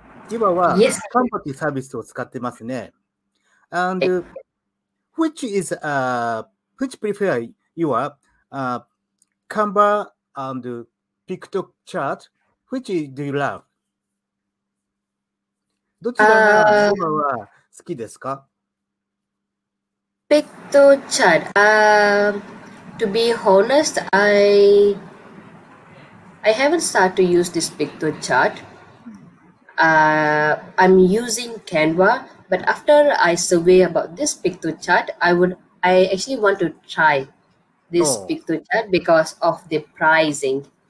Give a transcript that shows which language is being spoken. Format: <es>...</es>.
<ja>今は、カンパティサービスを使ってますね。</ja> <en>And which is which prefer you are Canva and Piktochart? Which do you love?</en> <ja>どちらが今は好きですか</ja> <en>？Piktochart. To be honest, I haven't started to use this Piktochart. I'm using Canva, but after I survey about this Piktochart, I actually want to try this Piktochart because of the pricing.</en>